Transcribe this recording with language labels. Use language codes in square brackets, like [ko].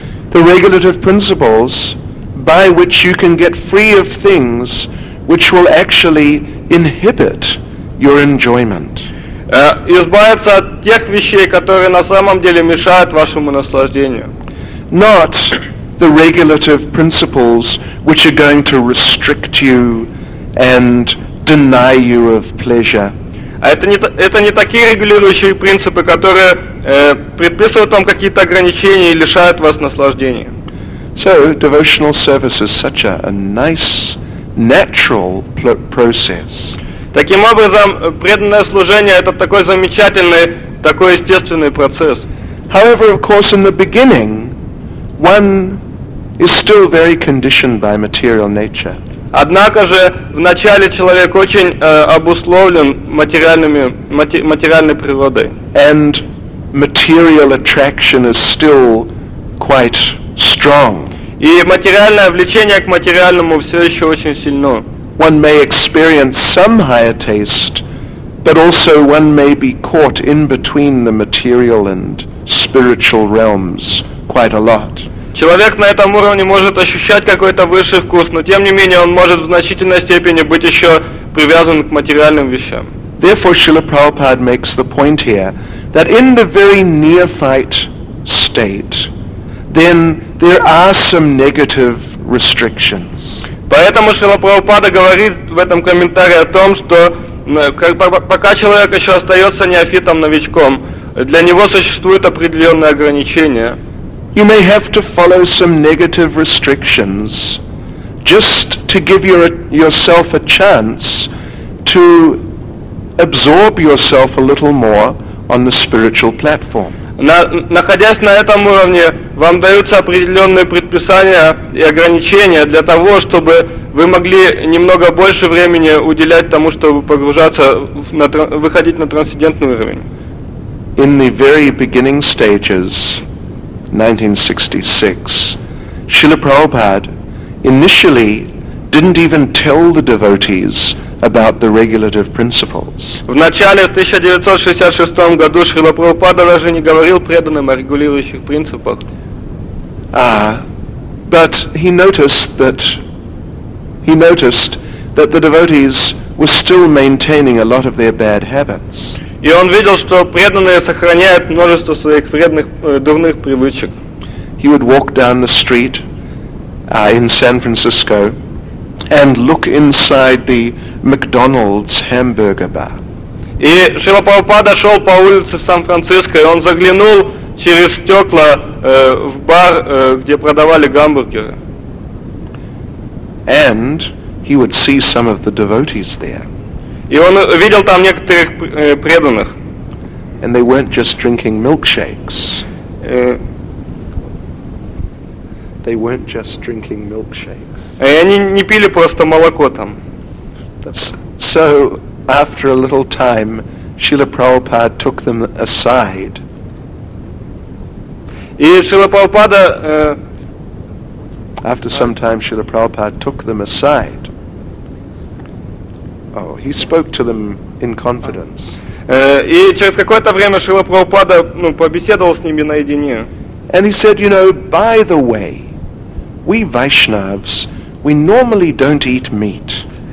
[en] The regulative principles by which you can get free of things which will actually inhibit your enjoyment. [ru] Избавиться от тех вещей, которые на самом деле мешают вашему наслаждению. [en] Not the regulative principles which are going to restrict you and deny you of pleasure. [ru] Это не такие регулирующие принципы, которые предписывают вам какие-то ограничения и лишают вас наслаждения. [en] So, devotional service is such a nice, natural process. [ru] Таким образом, преданное служение это такой замечательный, такой естественный процесс. [en] However, of course, in the beginning, one is still very conditioned by material nature. [ru] Однако же в начале человек очень обусловлен материальной природой. [en] And material attraction is still quite strong. [ru] И материальное влечение к материальному все еще очень сильно. [en] One may experience some higher taste, but also one may be caught in between the material and spiritual realms quite a lot. [ru] Человек на этом уровне может ощущать какой-то высший вкус, но тем не менее он может в значительной степени быть еще привязан к материальным вещам. [en] Therefore, Srila Prabhupada makes the point here that in the very neophyte state, then there are some negative restrictions. [ru] Поэтому Шрила Прабхупада говорит в этом комментарии о том, что пока человек еще остается неофитом, новичком, для него существует определенные ограничения. [en] You may have to follow some negative restrictions just to give yourself a chance to absorb yourself a little more on the spiritual platform. [ru] Находясь на этом уровне, вам даются определенные предписания и ограничения для того, чтобы вы могли немного больше времени уделять тому, чтобы погружаться, выходить на трансцендентный уровень. [en] In the very beginning stages, 1966, Srila Prabhupada initially didn't even tell the devotees about the regulative principles. [ru] В начале 1966 году Шрила Прабхупада даже не говорил преданным о регулирующих принципах. [en] But he noticed that the devotees were still maintaining a lot of their bad habits. [ru] И он видел, что преданные сохраняют множество своих вредных дурных привычек. [en] He would walk down the street in San Francisco and look inside the McDonald's hamburger bar. [ru] И Шрила Прабхупада шел по улице Сан-Франциско, и он заглянул через стекла в бар, где продавали гамбургеры. [en] And he would see some of the devotees there. [ru] И он видел там некоторых преданных. [en] And they weren't just drinking milkshakes. They weren't just drinking milkshakes. [ru] Они не пили просто молоко там. [en] So after a little time, Srila Prabhupada took them aside. [ru] И Шрила Прабхупада. [en] After some time, Srila Prabhupada took them aside. Oh, he spoke to them in confidence. [ru] И через какое-то время Шрила Прабхупада побеседовал с ними наедине. [en] And he said, you know, by the way, we Vaishnavs, we normally don't eat meat.